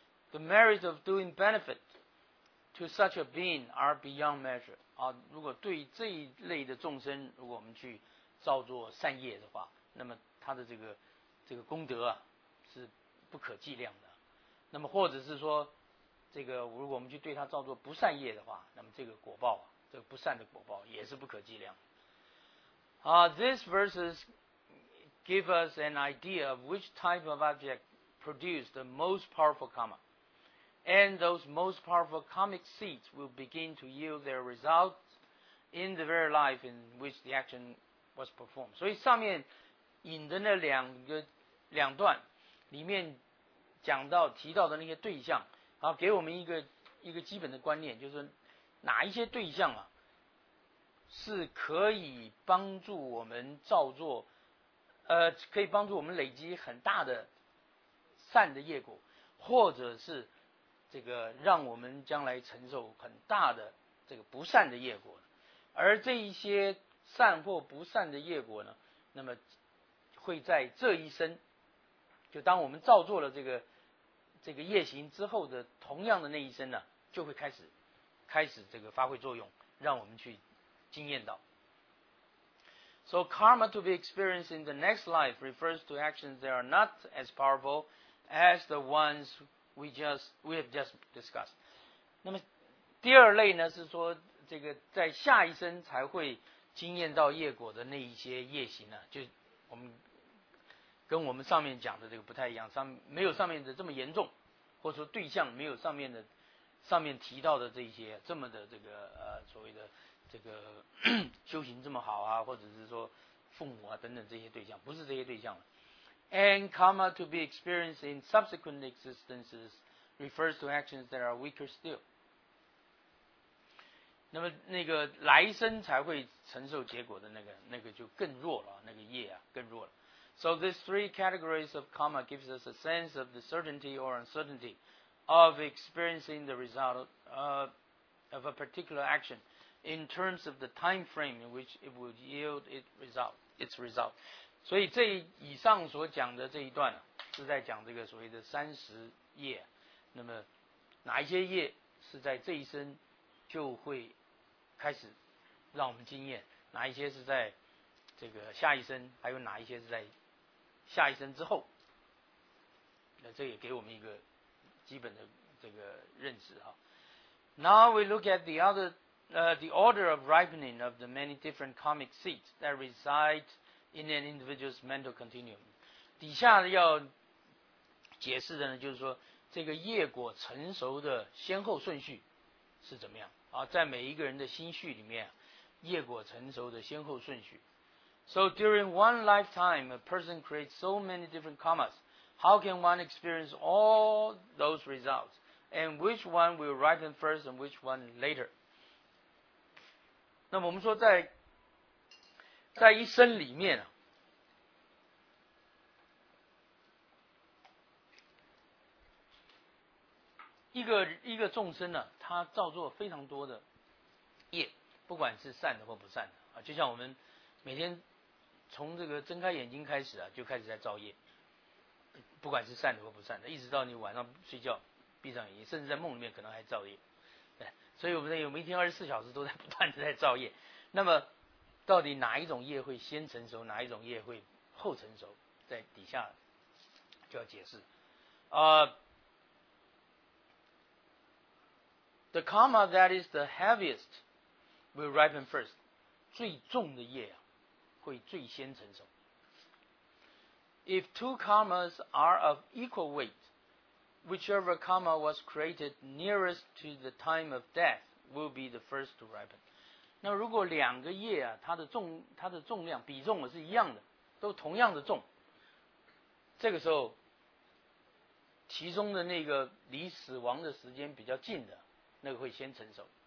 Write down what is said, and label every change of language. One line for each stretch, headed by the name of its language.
English: The merit of doing benefit to such a being are beyond measure、
Chinese: 啊、如果对这一类的众生如果我们去造作善业的话，那么他的这个功德啊是不可计量的。那么或者是说这个如果我们去对他造作不善业的话，那么这个果报啊，这个不善的果报也是不可计量。
English: These verses give us an idea of which type of object produce the most powerful karma, and those most powerful karmic seeds will begin to yield their results in the very life in which the action was performed.
Chinese: 所以上面引的那两段里面讲到提到的那些对象，好，给我们一个基本的观念，就是哪一些对象啊是可以帮助我们造作，可以帮助我们累积很大的善的业果，或者是这个让我们将来承受很大的这个不善的业果。而这一些善或不善的业果呢，那么会在这一生，就当我们造作了这个业行之后的同样的那一生呢，就会开始这个发挥作用，让我们去经验到。
English: So karma to be experienced in the next life refers to actions that are not as powerful as the ones we have just discussed.
Chinese: 那么第二类呢，是说这个在下一生才会经验到业果的那一些业行呢，就我们跟我们上面讲的这个不太一样，没有上面的这么严重，或者说对象没有上面提到的这些这么的这个所谓的这个修行这么好啊，或者是说父母啊等等这些对象，不是这些对象了。
English: And karma to be experienced in subsequent existences refers to actions that are weaker still.
Chinese: 那么那个来生才会承受结果的那个就更弱了，那个业啊更弱了。
English: So these three categories of karma gives us a sense of the certainty or uncertainty of experiencing the result of a particular action in terms of the time frame in which it will yield its result.
Chinese: 所以这以上所讲的这一段、啊、是在讲这个所谓的三十业，那么哪一些业是在这一生就会开始让我们经验，哪一些是在这个下一生，还有哪一些是在下一生之后，那这也给我们一个基本的这个认识哈。
English: Now we look at the order of ripening of the many different karmic seeds that reside in an individual's mental continuum.
Chinese: 底下要解释的呢，就是说这个业果成熟的先后顺序是怎么样啊？在每一个人的心绪里面，业果成熟的先后顺序。
English: So during one lifetime, a person creates so many different karmas. How can one experience all those results? And which one will ripen first and which one later?
Chinese: 那么我们说在一生里面、啊、一个众生呢、啊、他造作非常多的业，不管是善的或不善的、啊、就像我们每天从这个睁开眼睛开始啊，就开始在造业，不管是善的或不善的，一直到你晚上睡觉闭上眼睛，甚至在梦里面可能还造业。对，所以我们有一天24小时都在不断的在造业。那么到底哪一种业会先成熟，哪一种业会后成熟，在底下就要解释。
English: The karma that is the heaviest will ripen first.
Chinese: 最重的业啊，会最先成熟。
English: If two karmas are of equal weight, whichever karma was created nearest to the time of death will be the first to ripen.
Chinese: 那如果两个业啊，它的重量比重是一样的，都同样的重，这个时候其中的那个离死亡的时间比较近的，那个会先成熟。